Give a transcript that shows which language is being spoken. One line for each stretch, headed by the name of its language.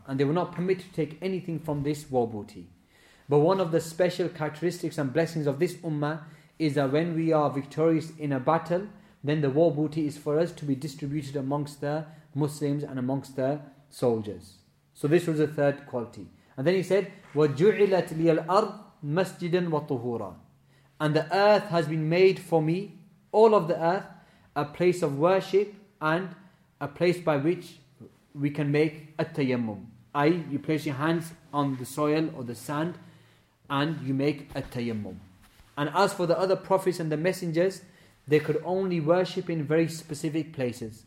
English: And they were not permitted to take anything from this war booty. But one of the special characteristics and blessings of this ummah is that when we are victorious in a battle, then the war booty is for us to be distributed amongst the Muslims and amongst the soldiers. So this was the third quality. And then he said,
Arabic: وَجُعِلَتْ لِيَ الْأَرْضِ مَسْجِدًا وَطُهُورًا.
English: And the earth has been made for me, all of the earth, a place of worship and a place by which we can make التَيَمُّم. I.e. you place your hands on the soil or the sand and you make التَيَمُّم. And as for the other prophets and the messengers, they could only worship in very specific places.